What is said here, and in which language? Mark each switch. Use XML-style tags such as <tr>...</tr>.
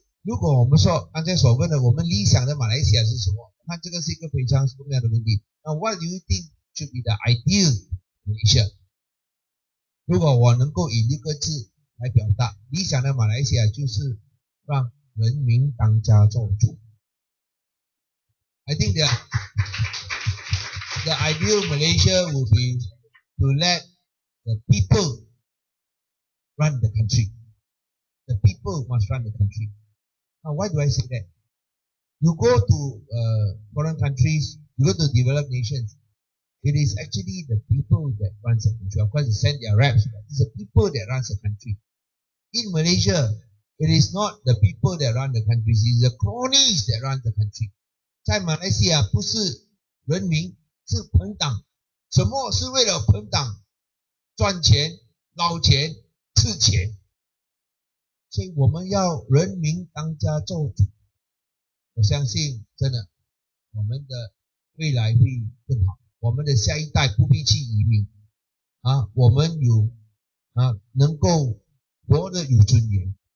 <zh>如果我们说刚才所问的我们理想的马来西亚是什么，那这个是一个非常重要的问题。</zh> <en>那 what do you think should be the ideal Malaysia？</en> <zh>如果我能够以一个字来表达理想的马来西亚，就是让人民当家作主。</zh> <en>I think the ideal Malaysia would be to let the people run the country. The people must run the country. Now why do I say that? You go to foreign countries, you go to developed nations, it is actually the people that runs the country. Of course they send their reps, but it's the people that runs the country. In Malaysia, it is not the people that run the country, it's the cronies that run the country.</en> <zh>在马来西亚不是人民，是朋党。什么是为了朋党赚钱、捞钱、吃钱？所以我们要人民当家作主。我相信真的我们的未来会更好，我们的下一代不必去移民啊，我们有啊能够活得有尊严。</zh>